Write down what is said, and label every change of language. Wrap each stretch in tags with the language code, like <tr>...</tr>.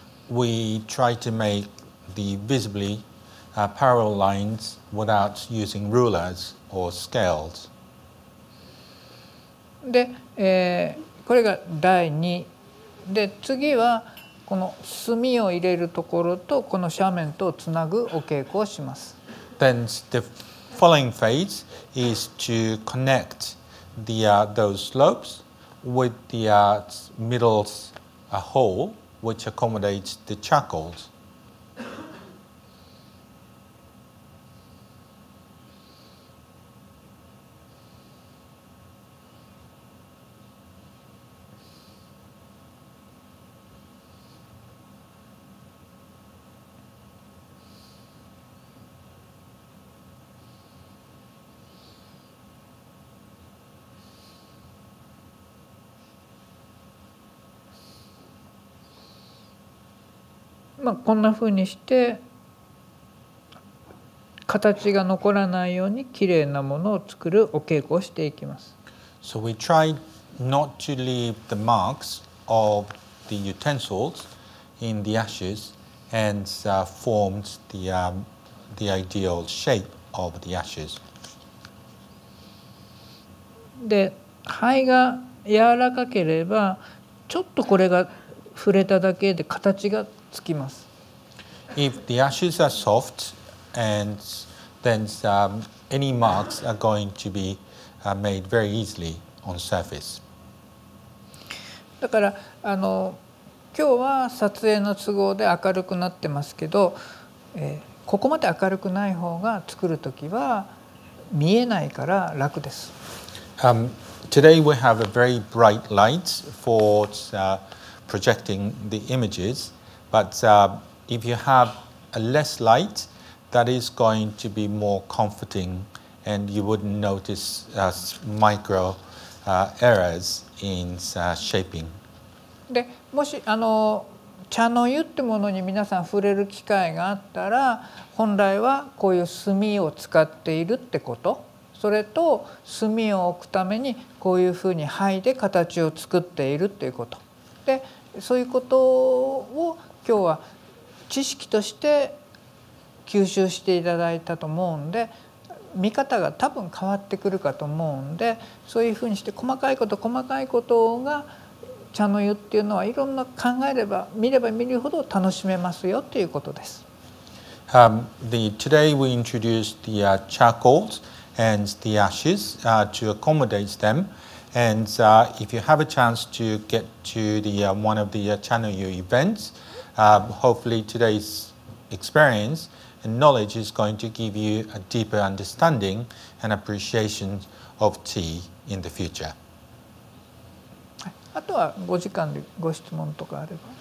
<en>We try to make the visiblyparallel lines without using rulers or scales.</en> <ja>で、これが第二。で、次はこの墨を入れるところとこの斜面とをつなぐお稽古をします。</ja> <en>Then the following phase is to connect the those slopes with the middle hole which accommodates the chuckles.</en> <ja>まあ、こんなふうにして形が残らないようにきれいなものを作るお稽古をしていきます。</ja> <en>So we try not to leave the marks of the utensils in the ashes and formed the ideal shape of the ashes.</en> <ja>で、灰が柔らかければちょっとこれが触れただけで形がつきます。</ja> <en>If the ashes are soft and then any marks are going to be made very easily on surface.</en> <ja>だからあの今日は撮影の都合で明るくなってますけど、ここまで明るくない方が作るときは見えないから楽です。</ja> <en>Today we have a very bright light for projecting the images. But if you have a less light, that is going to be more comforting and you wouldn't notice micro errors in shaping.</en> <ja>で、もし茶の湯ってものに皆さん触れる機会があったら、本来はこういう炭を使っているってこと、それと炭を置くためにこういうふうに灰で形を作っているっていうこと。で、そういうことを今日は知識として吸収していただいたと思うんで、見方が多分変わってくるかと思うんで、そういうふうにして細かいこと細かいことが茶の湯っていうのはいろんな考えれば見れば見るほど楽しめますよということです。</ja> <en>Today we introduced the charcoals and the ashes to accommodate them. And if you have a chance to get to the one of the茶の湯 events, hopefully today's experience and knowledge is going to give you a deeper understanding and appreciation of tea in the future.</en> <ja>あとは5時間でご質問とかあれば。</ja>